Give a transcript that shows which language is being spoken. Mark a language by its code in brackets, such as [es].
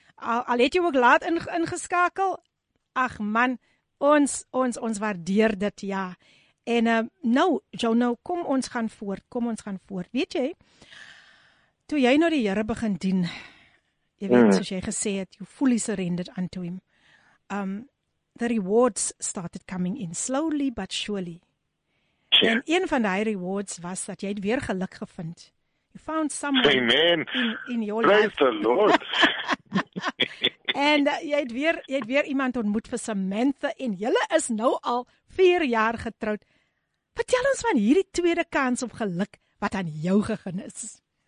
[af] al het jy ook laat ingeskakel, ag man, ons waardeer dit, ja. En nou, kom ons gaan voort, Weet jy, toe jy nou die Here begin dien, jy weet, soos jy gesê het, [en] you fully surrendered unto him. The rewards started coming in, slowly but surely. [af] En een van die rewards was dat jy het weer geluk gevind. [en] You found someone in your praise life. Praise the Lord. [af] En jy het weer iemand ontmoet vir Samantha en jylle is nou al 4 jaar getroud. Vertel ons van hierdie tweede kans op geluk wat aan jou gegeen is.